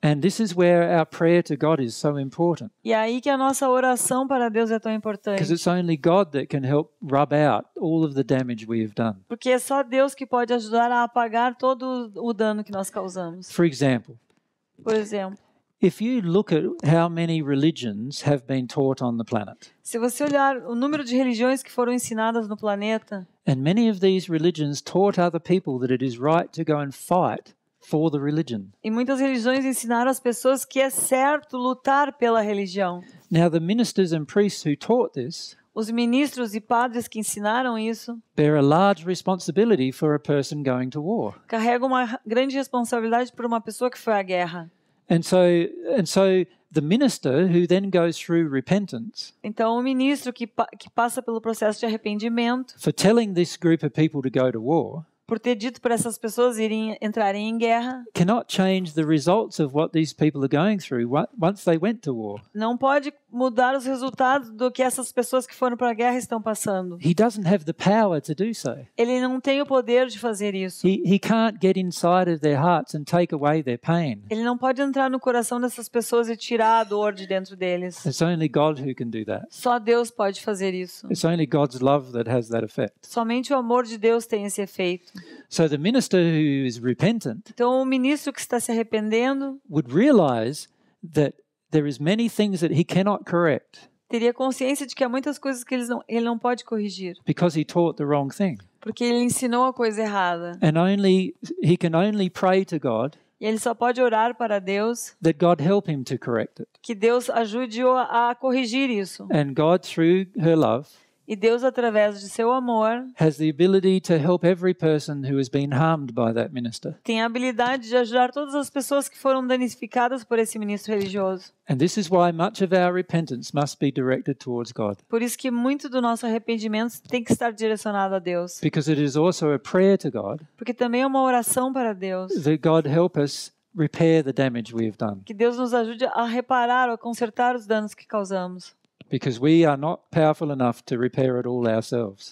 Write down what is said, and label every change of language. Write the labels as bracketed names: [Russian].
[English] And this is where our prayer to God is so important, [Portuguese] e é aí que a nossa oração para Deus é tão importante, [English] because it's only God that can help rub out all of the damage we have done, [Portuguese] porque é só Deus que pode ajudar a apagar todo o dano que nós causamos. [English] For example, [Portuguese] por exemplo, [English] if you look at how many religions have been taught on the planet, [Portuguese] se você olhar o número de religiões que foram ensinadas no planeta, [English] and many of these religions taught other people that it is right to go and fight for the religion, [Portuguese] e muitas religiões ensinaram as pessoas que é certo lutar pela religião. [English] Now the ministers and priests who taught this, [Portuguese] os ministros e padres que ensinaram isso, [English] bear a large responsibility for a person going to war, [Portuguese] carregam uma grande responsabilidade por uma pessoa que foi à guerra. [English] And so the minister who then goes through repentance, [Portuguese] então o ministro que passa pelo processo de arrependimento, [English] for telling this group of people to go to war, [Portuguese] por ter dito para essas pessoas irem entrarem em guerra, [English] cannot change the results of what these people are going through once they went to war, [Portuguese] não pode mudar os resultados do que essas pessoas que foram para a guerra estão passando. [English] He doesn't have the power to do so. [Portuguese] Ele não tem o poder de fazer isso. [English] He can't get inside of their hearts and take away their pain. [Portuguese] Ele não pode entrar no coração dessas pessoas e tirar a dor de dentro deles. [English] It's only God who can do that. [Portuguese] Só Deus pode fazer isso. [English] It's only God's love that has that effect. [Portuguese] Somente o amor de Deus tem esse efeito. [English] So the minister who is repentant, [Portuguese] então o ministro que está se arrependendo, [English] would realize that there is many things that he cannot correct. [Portuguese] Teria consciência de que há muitas coisas que ele não pode corrigir. [English] Because he taught the wrong thing. [Portuguese] Porque ele ensinou a coisa errada. [English] And only he can only pray to God. [Portuguese] E ele só pode orar para Deus. [English] That God help him to correct it. [Portuguese] Que Deus ajude-o a corrigir isso. [English] And God through her love. [Portuguese] E Deus através de seu amor. [English] Has the ability to help every person who has been harmed by that minister. [Portuguese] Tem a habilidade de ajudar todas as pessoas que foram danificadas por esse ministro religioso. [English] And this is why much of our repentance must be directed towards God. [Portuguese] Por isso que muito do nosso arrependimento tem que estar direcionado a Deus. [English] Because it is also a prayer to God. [Portuguese] Porque também é uma oração para Deus. [English] That God help us repair the damage we have done. [Portuguese] Que Deus nos ajude a reparar ou a consertar os danos que causamos. [English] Because we are not powerful enough to repair it all ourselves.